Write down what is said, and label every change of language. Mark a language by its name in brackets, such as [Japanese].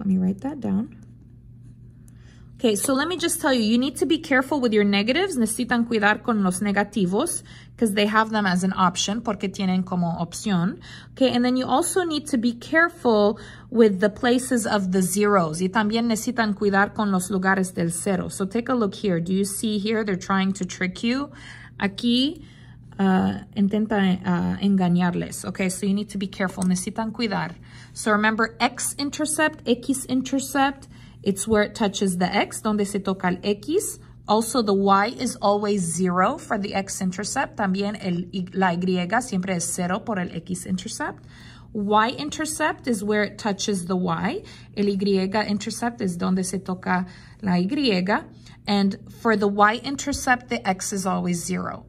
[English] Let me write that down. Okay, so let me just tell you, you need to be careful with your negatives. [Spanish] Necesitan cuidar con los negativos, [English] because they have them as an option, [Spanish] porque tienen como opción. [English] Okay, and then you also need to be careful with the places of the zeros. [Spanish] Y también necesitan cuidar con los lugares del cero. [English] So take a look here. Do you see here they're trying to trick you? [Spanish] Aquí intenta engañarles. [English] Okay, so you need to be careful. [Spanish] Necesitan cuidar. [English] So remember, x-intercept, x-intercept, it's where it touches the x, [Spanish] donde se toca el x. [English] Also, the y is always 0 for the x-intercept. [Spanish] También la y siempre es 0 por el x-intercept. [English] Y-intercept is where it touches the y. El y-intercept is [Spanish] donde se toca la y. [English] And for the y-intercept, the x is always 0.